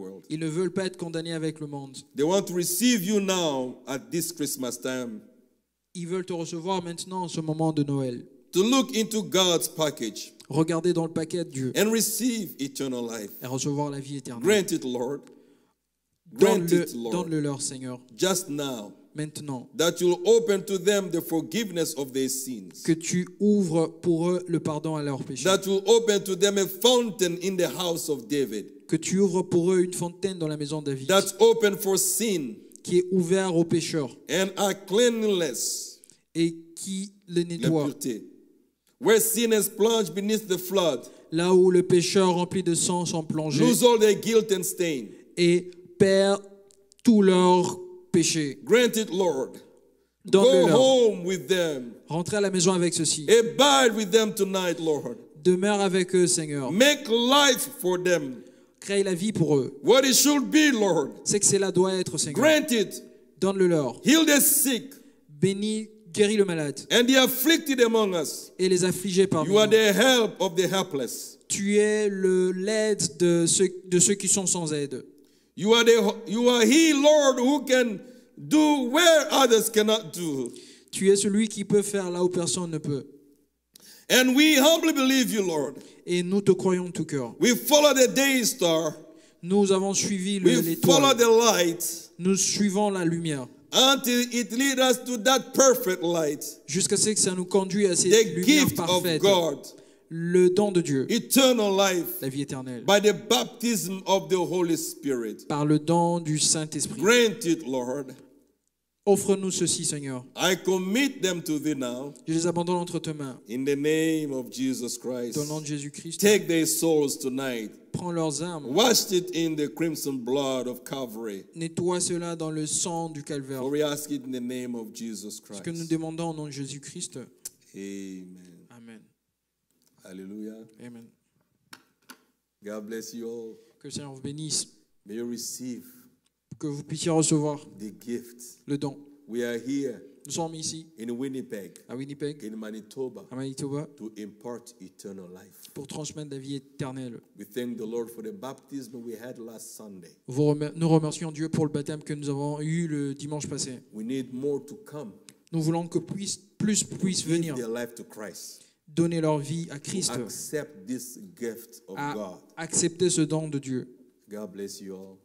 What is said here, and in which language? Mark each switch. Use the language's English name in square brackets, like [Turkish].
[French] Ils ne veulent pas être condamnés avec le monde. [English] They want to receive you now at this Christmas time. [French] Ils veulent te recevoir maintenant en ce moment de Noël. [English] To look into God's package. [French] Regarder dans le paquet de Dieu. [English] And receive eternal life. [French] Et recevoir la vie éternelle. [English] Grant it, Lord. [French] Donne-le leur Seigneur. [English] Just now. [French] Maintenant, [English] that you'll open to them the forgiveness of their sins. [French] Que tu ouvres pour eux le pardon à leurs péchés. [English] That you'll open to them a fountain in the house of David. [French] Que tu ouvres pour eux une fontaine dans la maison de David. [English] That's open for sin. [French] Qui est ouvert aux pécheurs. [English] And are cleanless. [French] Et qui le nettoie. [English] Where sin has plunged beneath the flood. [French] Là où le pécheur rempli de sang sont plongés. [English] Lose all their guilt and stain. [French] Et perd tout leur péché. [English] Grant it, Lord. [French] Donne-le [English] Go [French] leur. [English] Home with them. [French] Rentrez à la maison avec ceci. [English] Abide with them tonight, Lord. [French] Demeure avec eux, Seigneur. [English] Make life for them. [French] Crée la vie pour eux. [English] What it should be, Lord. [French] C'est que cela doit être, Seigneur. [English] Grant it. [French] Donne-le leur. [English] Heal the sick. [French] Bénis, guéris le malade. [English] And the afflicted among us. [French] Et les affligés parmi nous. [English] You are the help of the helpless. [French] Tu es l'aide de ceux qui sont sans aide. [English] You are He, Lord, who can do where others cannot do. [French] Tu es celui qui peut faire là où personne ne peut. [English] And we humbly believe you, Lord. [French] Et nous te croyons tout cœur. [English] We follow the day star. [French] Nous avons suivi l'étoile. [English] We follow the light. [French] Nous suivons la lumière. [English] Until it leads us to that perfect light. [French] Jusqu'à ce que ça nous conduit à cette lumière parfaite. [English] The gift of God. [French] Le don de Dieu. [English] Eternal life. [French] La vie éternelle. [English] By the baptism of the Holy Spirit. [French] Par le don du Saint-Esprit. [English] Grant it, Lord. [French] Offre-nous ceci, Seigneur. [English] I commit them to thee now. [French] Je les abandonne entre tes mains. [English] In the name of Jesus Christ. [French] Dans le nom de Jésus-Christ. [English] Take their souls tonight. [French] Prends leurs âmes. [English] Wash it in the crimson blood of Calvary. [French] Nettoie cela dans le sang du calvaire. [English] For we ask it in the name of Jesus Christ. [French] Ce que nous demandons au nom de Jésus-Christ. Amen. Amen. Alléluia. Amen. [English] God bless you all. [French] Que le Seigneur vous bénisse. [English] May you receive. [French] Que vous puissiez recevoir [English] the gift. [French] Le don. [English] We are here. [French] Nous sommes ici [English] in Winnipeg, [French] à Winnipeg, [English] in Manitoba, [French] à Manitoba, [English] to impart eternal life. [French] Pour transmettre la vie éternelle. [English] We thank the Lord for the baptism we had last Sunday. [French] Nous remercions Dieu pour le baptême que nous avons eu le dimanche passé. [English] We need more to come. [French] Nous voulons que plus puissent venir. [English] Give their life to Christ. [French] Donner leur vie à Christ. [English] To accept this gift of [French] à [English] God. [French] Accepter ce don de Dieu. [English] God bless you all.